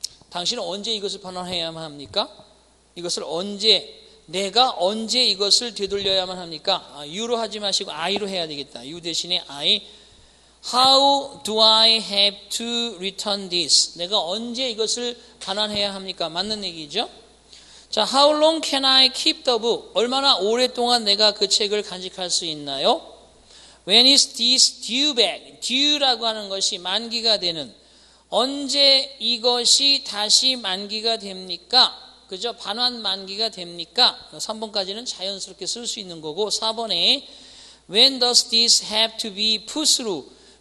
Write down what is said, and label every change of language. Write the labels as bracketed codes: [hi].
[ko] 당신은 언제 이것을 반환해야만 합니까? 이것을 언제, 내가 언제 이것을 되돌려야만 합니까? 아, you로 하지 마시고 I로 해야 되겠다. [en] You [ko] 대신에 [en] I. How do I have to return this? [ko] 내가 언제 이것을 반환해야 합니까? 맞는 얘기죠? 자, [en] How long can I keep the book? [ko] 얼마나 오랫동안 내가 그 책을 간직할 수 있나요? [en] When is this due back? [ko] Due라고 하는 것이 만기가 되는. 언제 이것이 다시 만기가 됩니까? 그죠? 반환 만기가 됩니까? 3번까지는 자연스럽게 쓸 수 있는 거고 4번에 [en] When does this have to be put through?